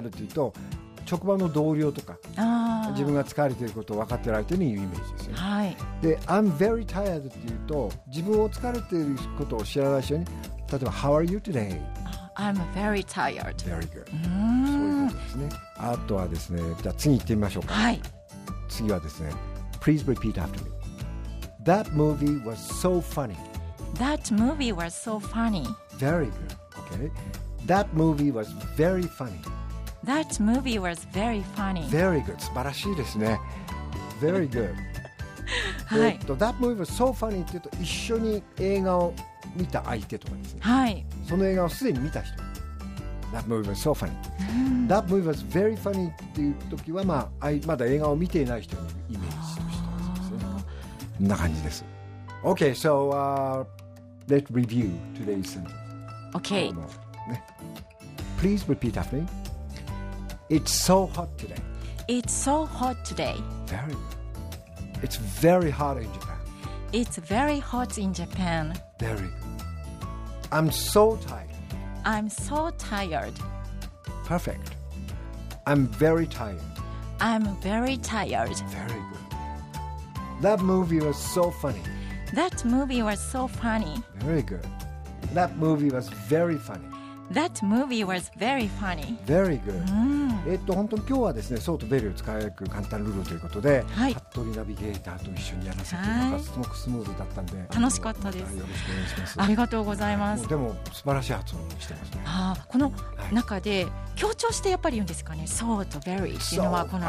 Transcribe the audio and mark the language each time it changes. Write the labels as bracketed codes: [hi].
[ja] って言うと、職場の同僚とか、自分が疲れていることを分かっている相手に言うイメージですよ、はい。 [en] で、I'm very tired. [ja] って言うと、自分を疲れていることを知らない人に、例えば、 [en] How are you today? I'm very tired. Very good. [ja] そういうことですね。あとはですね、じゃあ次行ってみましょうか。はい、次はですね、 [en] Please repeat after me. That movie was so funny. That movie was so funny. Very good. Okay. That movie was very funny. That movie was very funny. Very good. [ja] 素晴らしいですね。 [en] Very good. [ja] 、はい、 [en] That movie was so funny. [ja] って言うと、一緒に映画を見た相手とかですね。はい。その映画をすでに見た人。 [en] That movie was so funny. That movie was very funny. [ja] っていう時は、まあ、まだ映画を見ていない人のイメージとしてはですね。こんな感じです。 [en] Okay, so, let's review today's sentence. Okay. Please repeat after me. It's so hot today. It's so hot today. Very good. It's very hot in Japan. It's very hot in Japan. Very good. I'm so tired. I'm so tired. Perfect. I'm very tired. I'm very tired. Very good. That movie was so funny. That movie was so funny. Very good. That movie was very funny. That movie was very funny. Very good. [ja] 本当に今日はですね、そうとベリーを使いやすく簡単ルールということで、はい、服部ナビゲーターと一緒にやらせていただくのがすごくスムーズだったんで、楽しかったです。よろしくお願いします。ありがとうございます。もでも素晴らしい発音してますね。あ、この中で強調してやっぱり言うんですかね、そうとベリーっていうのはこの、